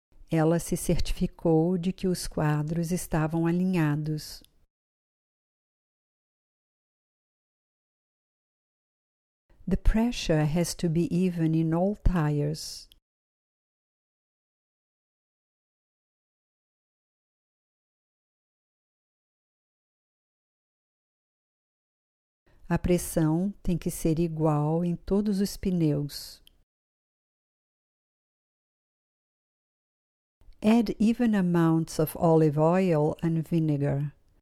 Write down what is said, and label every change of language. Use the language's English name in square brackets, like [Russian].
[Portuguese] Ela se certificou de que os quadros estavam alinhados. [English] The pressure has to be even in all tires. [Portuguese] A pressão tem que ser igual em todos os pneus. [English] Add even amounts of olive oil and vinegar.